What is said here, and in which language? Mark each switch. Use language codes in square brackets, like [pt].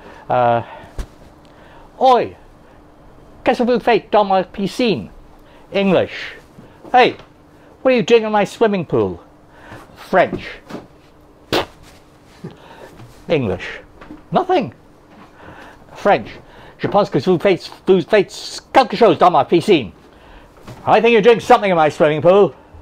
[fr] Oi, qu'est-ce que vous faites dans ma piscine? [en] English. Hey, what are you doing in my swimming pool? French. English. Nothing. French. [fr] Je pense que vous faites quelque chose dans ma piscine. [en] I think you're doing something in my swimming pool.